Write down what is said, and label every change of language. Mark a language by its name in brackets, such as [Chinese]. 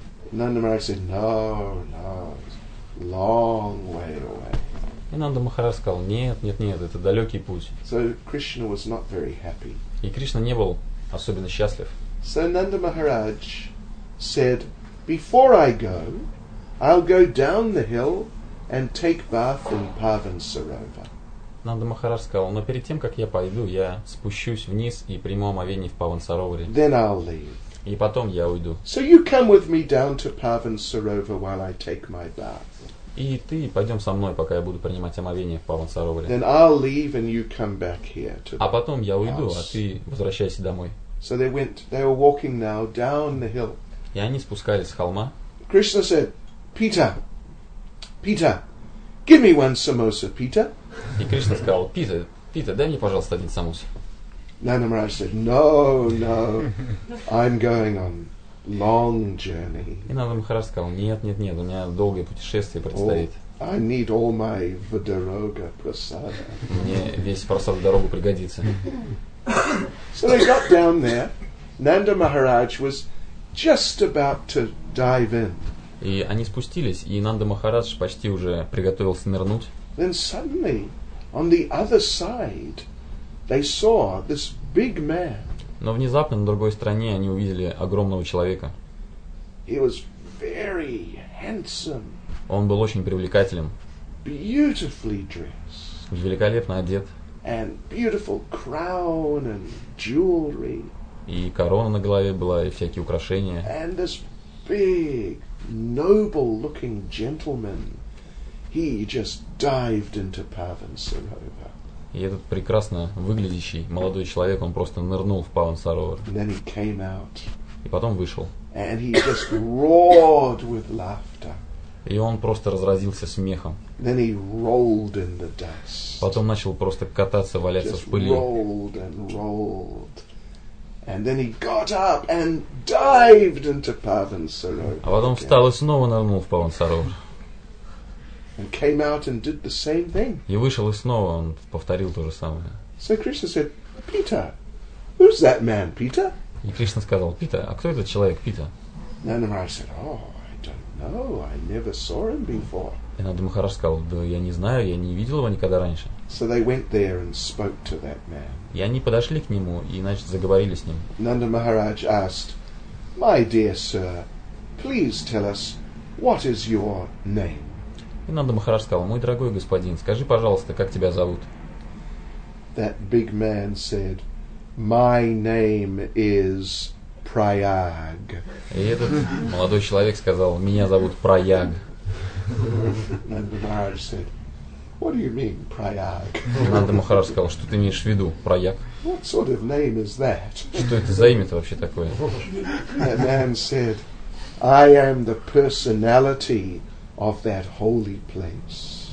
[English] Нанда Махарадж said, no, it's long way away. [Russian] И Нанда Махарадж сказал, нет, это далекий путь. [English] So Krishna was not very happy. [Russian] И Кришна не был особенно счастлив. [English] So Nanda Maharaj said, before I go, I'll go down the hill and take bath in Pavan Sarova. [Russian] Нанда Махарадж сказал, но перед тем, как я пойду, я спущусь вниз и приму омовение в Паван Сароваре. [English] Then I'll leave. [Russian] И потом я уйду. [English] So you come with me down to Pavan Sarova while I take my bath. [Russian] И ты пойдем со мной, пока я буду принимать омовение в Павана Сароваре. [English] Then I'll leave and you come back here to the [Russian] а потом я уйду, а ты возвращайся домой. [English] So they were walking now down the hill. [Russian] И они спускались с холма. [English] Krishna said, Peter, give me one samosa, Peter. [Russian] И Кришна сказал, Питер, дай мне, пожалуйста, один самоса. [English] Nanda Maharaj said, no, I'm going on. Long journey. [Russian] И Нанда Махарадж сказал, нет, у меня долгое путешествие предстоит. [English] I need all my Vidaroga prasada. [Russian] Мне весь просад в дорогу пригодится. [English] So they got down there. Nanda Maharaj was just about to dive in. [Russian] И они спустились, и Нанда Махарадж почти уже приготовился нырнуть. [English] Then suddenly, on the other side, they saw this big man. [Russian] Но внезапно на другой стороне они увидели огромного человека. [English] He was very handsome. [Russian] Он был очень привлекателен. [English] Beautifully dressed. [Russian] Великолепно одет. [English] And beautiful crown and jewelry. [Russian] И корона на голове была, и всякие украшения. [English] And this big, noble-looking gentleman, he just dived into Pavan Sarova. [Russian] И этот прекрасно выглядящий молодой человек, он просто нырнул в Павана Саровар. [English] And then he came out. [Russian] И потом вышел. [English] And he just roared with laughter. [Russian] И он просто разразился смехом. [English] Then he rolled in the dust. [Russian] Потом начал просто кататься, валяться [English] just [Russian] в пыли. [English] Rolled and rolled. And then he got up and dived into Pavan Saroga. [Russian] А потом встал и снова нырнул в Павана Саровар. [English] And came out and did the same thing. [Russian] И вышел и снова он повторил то же самое. [English] So Krishna said, Peter, who's that man, Peter? [Russian] И Кришна сказал, Питер, а кто этот человек, Питер? [English] Nanda Maharaj said, oh, I don't know, I never saw him before. [Russian] И Нанда Махарадж сказал, да я не знаю, я не видел его никогда раньше. [English] So they went there and spoke to that man. [Russian] И они подошли к нему и, значит, заговорили с ним. [English] Nanda Maharaj asked, my dear sir, please tell us, what is your name? [Russian] И Нанда Махарадж сказал, мой дорогой господин, скажи, пожалуйста, как тебя зовут? [English] That big man said, my name is Prayag. [Russian] И этот молодой человек сказал, меня зовут Прайаг. [English] Нанда Махарадж said, what do you mean, Prayag? [Russian] Нанда Махарадж сказал, что ты имеешь в виду, Прайаг? [English] What sort of name is that? [Russian] Что это за имя-то вообще такое? [English] That man said, I am the personality of that holy place.